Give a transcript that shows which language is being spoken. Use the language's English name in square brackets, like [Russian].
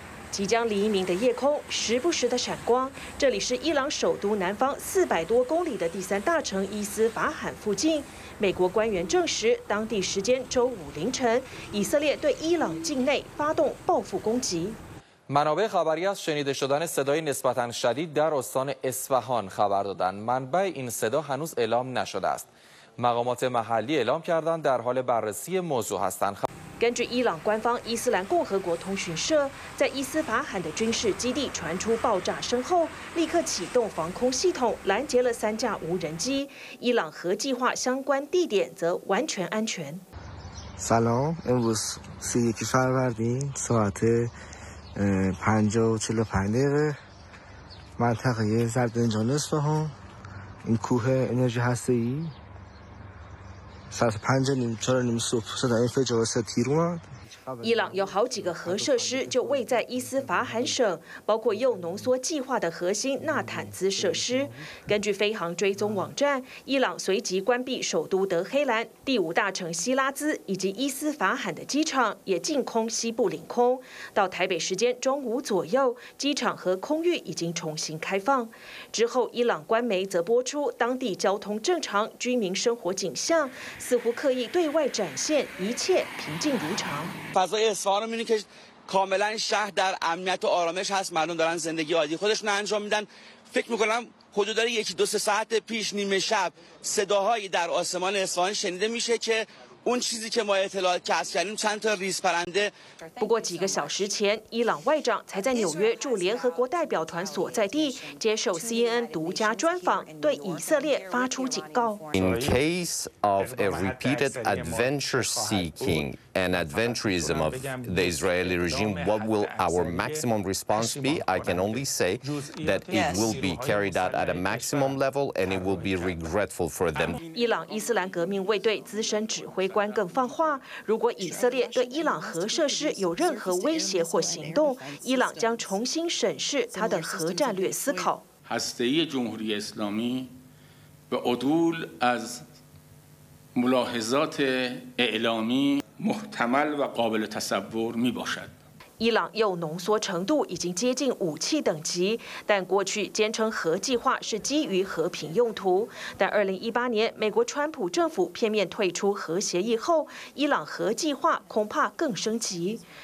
[Chinese] 即将黎明的夜空，时不时的闪光。这里是伊朗首都南方400多公里的第三大城伊斯法罕附近。美国官员证实，当地时间周五凌晨，以色列对伊朗境内发动报复攻击。 [Persian] منابع خبری از شنیده شدن صدای نسبتاً شدید در استان اصفهان خبر دادند. منبع این صدا هنوز اعلام نشده است. مقامات محلی اعلام کردند در حال بررسی موضوع هستند. [Chinese] 根据伊朗官方伊斯兰共和国通讯社，在伊斯法罕的军事基地传出爆炸声后，立刻启动防空系统拦截了三架无人机。伊朗核计划相关地点则完全安全。 [Persian] سلام، امروز 31 فروردین ساعت 5:45 منطقه زردنجان اصفهان این کوه انرژی هسته‌ای ساعت 5:45 صبح صدا انفجار ستیر اومد [Chinese] 伊朗有好几个核设施就位在伊斯法罕省，包括铀浓缩计划的核心纳坦兹设施。根据飞行追踪网站，伊朗随即关闭首都德黑兰、第五大城希拉兹以及伊斯法罕的机场，也净空西部领空。到台北时间中午左右，机场和空域已经重新开放。之后，伊朗官媒则播出当地交通正常、居民生活景象，似乎刻意对外展现一切平静如常。 [Persian] فضای اصفهان رو می‌بینید که کاملا شهر در امنیت و آرامش هست، مردم دارن زندگی عادی خودشون رو انجام میدن. فکر میکنم حدود 1-2 ساعت پیش نیمه شب صداهایی در آسمان اصفهان شنیده میشه که اون چیزی که ما اطلاع کسب کردیم چند تا ریز پرنده. [Chinese] 不过几个小时前，伊朗外长才在纽约驻联合国代表团所在地接受 CNN 独家专访，对以色列发出警告。 [English] In case of a repeated adventure-seeking and adventurism of the Israeli regime. What will our maximum response be? I can only say that it will be carried out at a maximum level and it will be regretful for them. [Chinese] 伊朗伊斯兰革命卫队资深指挥官更放话，如果以色列对伊朗核设施有任何威胁或行动，伊朗将重新审视他的核战略思考。 [Persian] هسته‌ی جمهوری اسلامی به عدول از ملاحظات اعلامی محتمل و قابل تصور می باشد. [Chinese] 伊朗又浓缩程度已经接近武器等级，但过去坚称核计划是基于和平用途。但2018年美国川普政府片面退出核协议后，伊朗核计划恐怕更升级。